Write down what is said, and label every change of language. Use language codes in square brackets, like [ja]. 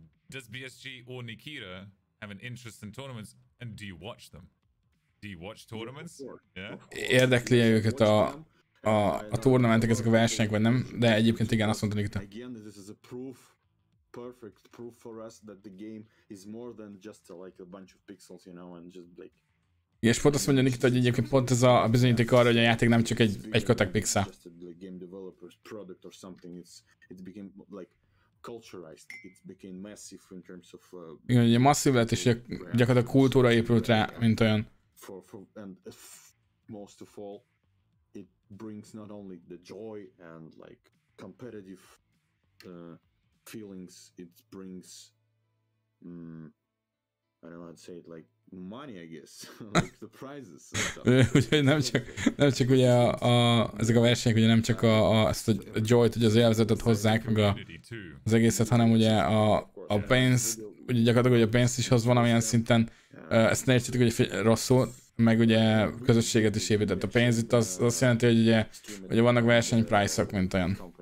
[en] Does BSG or Nikita have an interest in tournaments, and do you watch them? Do you watch tournaments? Yeah? [hu] Érdekli őket a tornamentek, ezek a versenyek, vagy nem, de egyébként igen, azt mondta Nikita. [en] Again, this is a proof, perfect proof for us that the game is more than just like a bunch of pixels, you know, and just like... [hu] Igen, és pont azt mondja Nikita, hogy egyébként pont ez a bizonyíték arra, hogy a játék nem csak egy kötek pixel. [en] Just a game developer's product or something, it became like culturized, it became massive in terms of... [hu] Igen, ugye masszív lett, és gyakorlatilag kultúra épült rá, mint olyan. [en] And most of all, it brings not only the joy and like competitive feelings, it brings I don't know how to say it, like money, I guess, like the prizes. Stuff. [hu] Úgyhogy nem csak ugye ezek a versenyek, ugye nem csak ezt a joyt, ugye az élvezetet hozzák meg az egészet, hanem ugye a pénz, ugye gyakorlatilag ugye a pénzt is hoz valamilyen szinten, ezt ne értsétek, ugye rosszul, meg ugye közösséget is épített a pénz, itt az azt jelenti, hogy ugye vannak verseny price-ok, mint olyan.